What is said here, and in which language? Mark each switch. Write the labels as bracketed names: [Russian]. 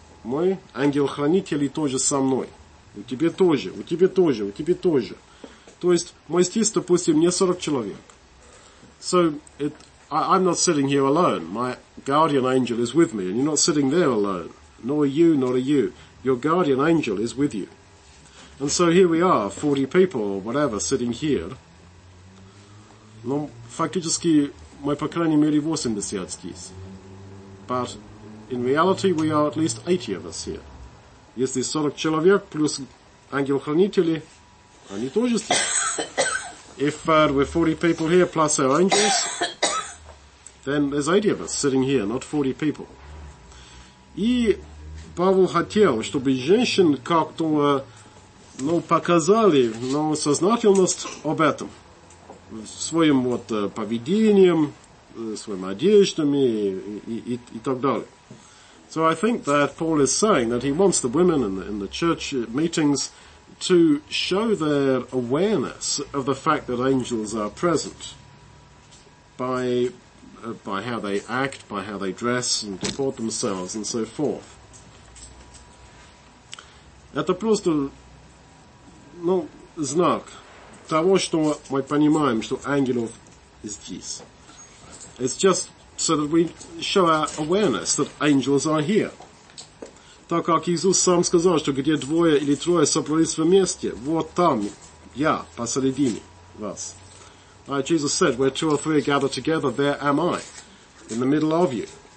[Russian] Мой ангел-хранитель тоже со мной. У тебя тоже, у тебя тоже, у тебя тоже. То есть, мой здесь, допустим, не 40 человек. [English] So, I'm not sitting here alone. My guardian angel is with me, and you're not sitting there alone. Nor are you, nor are you. Your guardian angel is with you. And so here we are, 40 people or whatever, sitting here. [Russian] Но фактически мы, по крайней мере, 80 здесь. [English] But in reality, we are at least 80 of us here. [Russian] Если 40 человек плюс ангел-хранители, они тоже здесь. [English] If we're 40 people here plus our angels, then there's 80 of us sitting here, not 40 people. [Russian] И Павел хотел, чтобы женщин как-то ну, показали, ну, сознательность об этом. Своим вот поведением, своим одеждами и так далее. [English] So I think that Paul is saying that he wants the women in the church meetings to show their awareness of the fact that angels are present by how they act, by how they dress and deport themselves and so forth. [Russian] Это просто, ну, знак того, что мы понимаем, что ангелов здесь. [English] It's just so that we show our awareness that angels are here. [Russian] Так как Иисус сам сказал, что где двое или трое собрались вместе, вот там я, посередине вас. [English] Jesus said, where two or three gather together, there am I, in the middle of you.